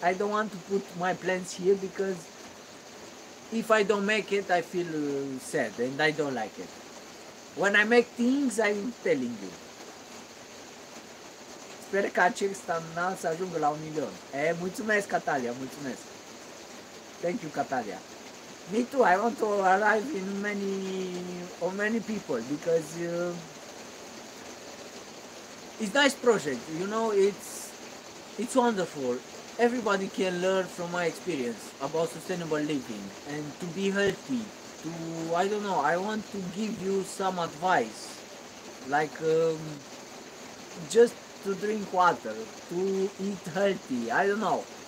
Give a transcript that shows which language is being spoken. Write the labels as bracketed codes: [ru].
[en] I don't want to put my plans here because if I don't make it, I feel sad and I don't like it. When I make things, I'm telling you. [ro] Sper ca acest canal să ajungă la 1 milion. Mulțumesc, Catalia, mulțumesc. [en] Thank you, Catalia. Me too, I want to arrive in many people because it's nice project, you know, it's wonderful. Everybody can learn from my experience about sustainable living and to be healthy, I want to give you some advice, like just to drink water, to eat healthy, I don't know.